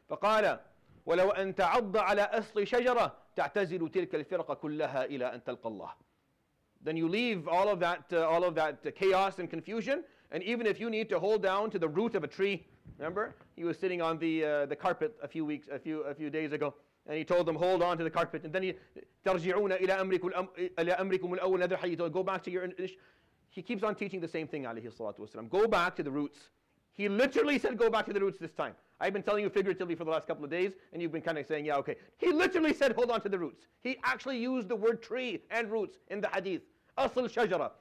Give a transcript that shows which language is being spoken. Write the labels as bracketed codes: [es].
[ar] فَقَالَ وَلَوْ أَنْ تَعَضَّ عَلَى أَصْلِ شَجَرَةٍ تَعْتَزِلُ تِلْكَ الْفِرْقَةُ كُلَّهَا إِلَى أَنْ تَلْقَى اللَّهَ. [en] Then you leave all of that chaos and confusion, and even if you need to hold down to the root of a tree. Remember, he was sitting on the carpet a few days ago. And he told them, hold on to the carpet. And then he, [ar] تَرْجِعُونَ إِلَى أَمْرِكُمُ الْأَوَّلِ نَذْرَ حَيِّتُ. [en] Go back to your... He keeps on teaching the same thing, alayhi salatu wasalam. Go back to the roots. He literally said, go back to the roots this time. I've been telling you figuratively for the last couple of days, and you've been kind of saying, yeah, okay. He literally said, hold on to the roots. He actually used the word tree and roots in the hadith. [ar] أَصْلُ شَجَرَة.